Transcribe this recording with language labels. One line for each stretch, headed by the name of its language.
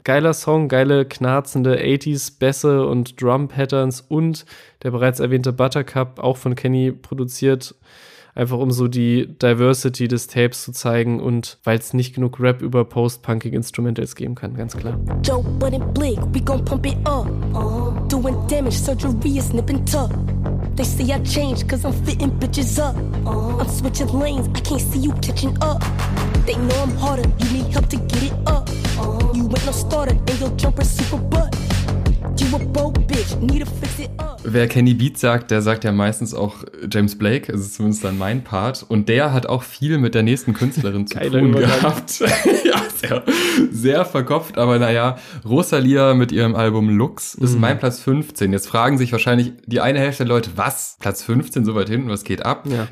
German: Geiler Song, geile knarzende 80s-Bässe und Drum-Patterns und der bereits erwähnte Buttercup, auch von Kenny produziert, einfach um so die Diversity des Tapes zu zeigen und weil es nicht genug Rap über Post-Punking Instrumentals geben kann, ganz klar.
English: Joe Budden Blick, we gon' pump it up. Doing damage, surgery is nipping tough. They say I change, cause I'm fitting bitches up. I'm switching lanes, I can't see you catching up. They know I'm harder, you need help to get it up. You ain't no starter, and your jumper's super butt. You a broke bitch, need to fix it up.
German: Wer Kenny Beats sagt, der sagt ja meistens auch James Blake, das ist zumindest dann mein Part. Und der hat auch viel mit der nächsten Künstlerin zu Geiler tun gehabt. Ja, sehr, sehr verkopft, aber naja, Rosalía mit ihrem Album Lux ist mein Platz 15. Jetzt fragen sich wahrscheinlich die eine Hälfte der Leute, was? Platz 15, so weit hinten, was geht ab? Ja.